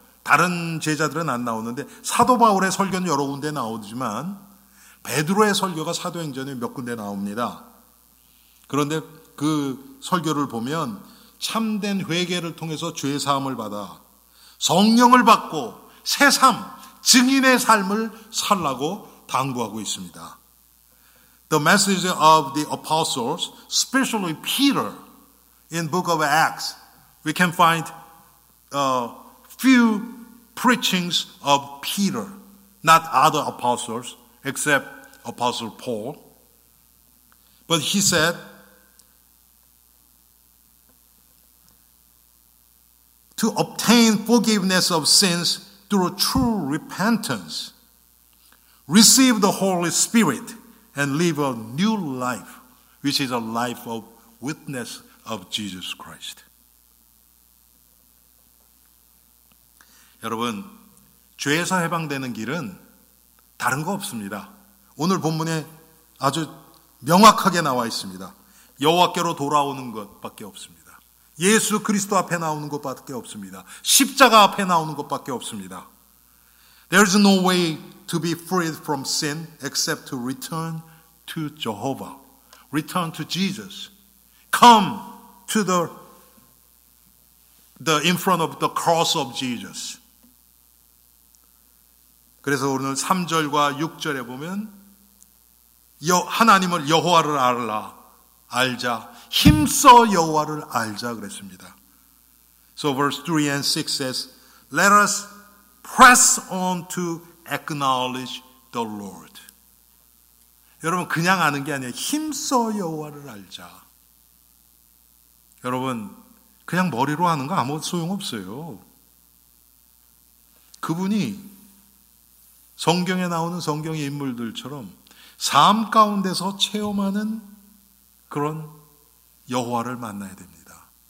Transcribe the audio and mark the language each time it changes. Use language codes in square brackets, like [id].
[ko] 다른 제자들은 안 나오는데 사도 바울의 설교는 여러 군데 나오지만 베드로의 설교가 사도행전에 몇 군데 나옵니다. 그런데 그 설교를 보면 참된 회개를 통해서 죄사함을 받아 성령을 받고 새삼 증인의 삶을 살라고 당부하고 있습니다. [en] The message of the apostles, especially Peter, in book of Acts, we can find a few preachings of Peter, not other apostles, except Apostle Paul. But he said, to obtain forgiveness of sins through true repentance. Receive the Holy Spirit and live a new life, which is a life of witness of Jesus Christ. [ko] 여러분, 죄에서 해방되는 길은 다른 거 없습니다. 오늘 본문에 아주 명확하게 나와 있습니다. 여호와께로 돌아오는 것밖에 없습니다. 예수 그리스도 앞에 나오는 것밖에 없습니다. 십자가 앞에 나오는 것밖에 없습니다. [en] There is no way to be freed from sin except to return to Jehovah. Return to Jesus. Come to the in front of the cross of Jesus. [ko] 그래서 오늘 3절과 6절에 보면 하나님을 여호와를 알라, 알자, 힘써 여호와를 알자 그랬습니다. [en] So verse 3 and 6 says, Let us press on to acknowledge the Lord. [ko] 여러분 그냥 아는 게 아니에요. 힘써 여호와를 알자. 여러분 그냥 머리로 아는 거 아무 소용없어요. 그분이 성경에 나오는 성경의 인물들처럼 삶 가운데서 체험하는 그런 여호와를 만나야 됩니다.